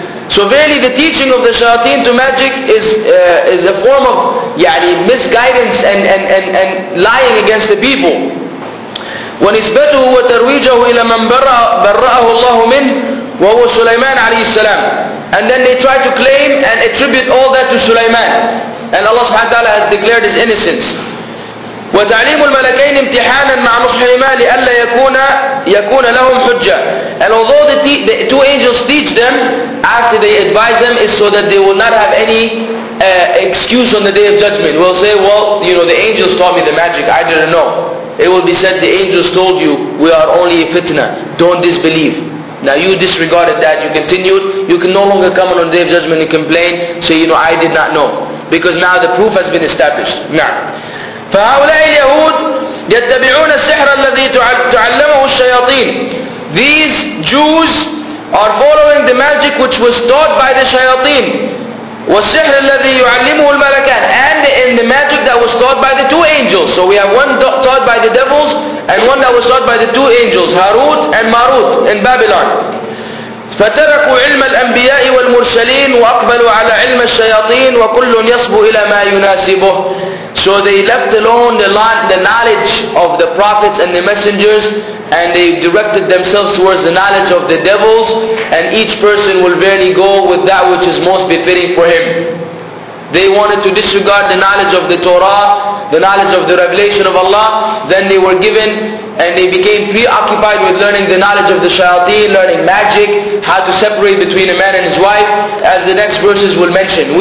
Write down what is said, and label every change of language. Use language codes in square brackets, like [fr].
[en] So verily the teaching of the shayateen to magic is a form of [ar] يعني [en] misguidance and lying against the people. [ar] ونسبته وترويجه إلى من برأه الله منه وهو سليمان عليه السلام. [en] And then they try to claim and attribute all that to Sulaiman. And Allah subhanahu wa ta'ala has declared his innocence. [ar] وتعليم الملكين امتحانا مع نصحهما لئلا يكون لهم حجة. [en] And although the two angels teach them, after they advise them, is so that they will not have any excuse on the day of judgment. We'll say, well, you know, the angels taught me the magic, I didn't know. It will be said, the angels told you, we are only a fitna, don't disbelieve. Now you disregarded that, you continued, you can no longer come on the day of judgment and complain, say, you know, I did not know. Because now the proof has been established. Now. [ar] فهؤلاء اليهود يتبعون السحر الذي تعلمه الشياطين. [en] These Jews are following the magic which was taught by the shayateen. [ar] والسحر الذي يعلمه الملكان. [en] And in the magic that was taught by the two angels. So we have one taught by the devils and one that was taught by the two angels, Harut and Marut in Babylon. [ar] فتركوا علم الأنبياء والمرسلين وأقبلوا على علم الشياطين وكل يصب إلى ما يناسبه. [en] So they left alone the knowledge of the prophets and the messengers, and they directed themselves towards the knowledge of the devils, and each person will verily go with that which is most befitting for him. They wanted to disregard the knowledge of the Torah, the knowledge of the revelation of Allah, then they were given and they became preoccupied with learning the knowledge of the shayateen, learning magic, how to separate between a man and his wife, as the next verses will mention.